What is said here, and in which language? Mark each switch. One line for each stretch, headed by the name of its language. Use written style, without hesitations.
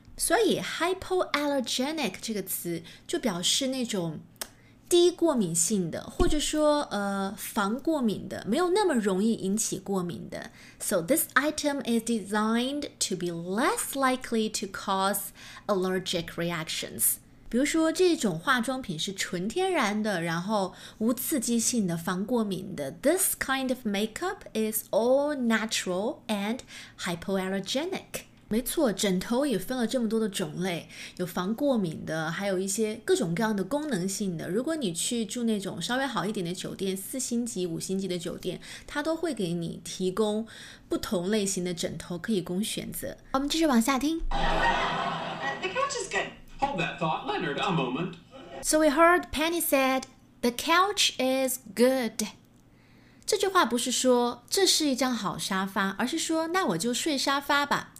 Chinese: 所以 hypoallergenic 这个词就表示那种低过敏性的，或者说防过敏的，没有那么容易引起过敏的。
English: So this item is designed to be less likely to cause allergic reactions.
Chinese: 比如说这种化妆品是纯天然的，然后无刺激性的，防过敏的。
English: This kind of makeup is all natural and hypoallergenic.
Chinese: 没错，枕头也分了这么多的种类，有防过敏的，还有一些各种各样的功能性的。如果你去住那种稍微好一点的酒店，四星级、五星级的酒店，它都会给你提供不同类型的枕头可以供选择。我们继续往下听。
English: The couch is good. Hold that thought, Leonard, a moment. So we heard Penny said, the couch is good.
Chinese: 这句话不是说这是一张好沙发，而是说那我就睡沙发吧。